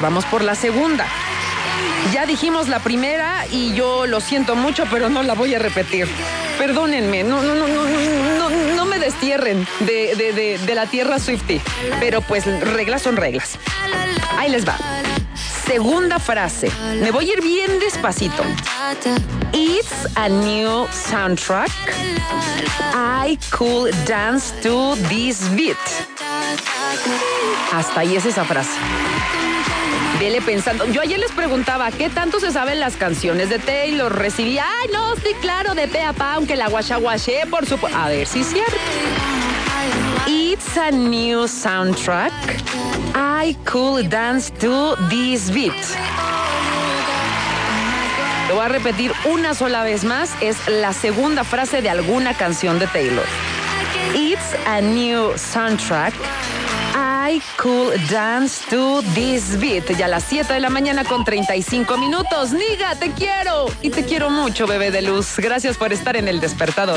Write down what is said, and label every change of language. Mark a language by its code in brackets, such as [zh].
[es] Vamos por la segunda. Ya dijimos la primera y yo lo siento mucho, pero no la voy a repetir. Perdónenme, no me destierren de la tierra Swiftie, pero pues reglas son reglas. Ahí les va. Segunda frase. Me voy a ir bien despacito. [en] It's a new soundtrack. I could dance to this beat. [es] Hasta ahí es esa frase. Vele pensando. Yo ayer les preguntaba, ¿qué tanto se saben las canciones de Taylor? Recibí, ¡ay, no, sí, claro, de pe a pa, aunque la guacha guache, por supuesto! A ver si es cierto. [en] It's a new soundtrack. I could dance to this beat. [es] Lo voy a repetir una sola vez más. Es la segunda frase de alguna canción de Taylor. [en] It's a new soundtrack. I could dance to this beat. [es] Ya a las 7:35 a.m. Niga, te quiero. Y te quiero mucho, bebé de luz. Gracias por estar en El Despertador.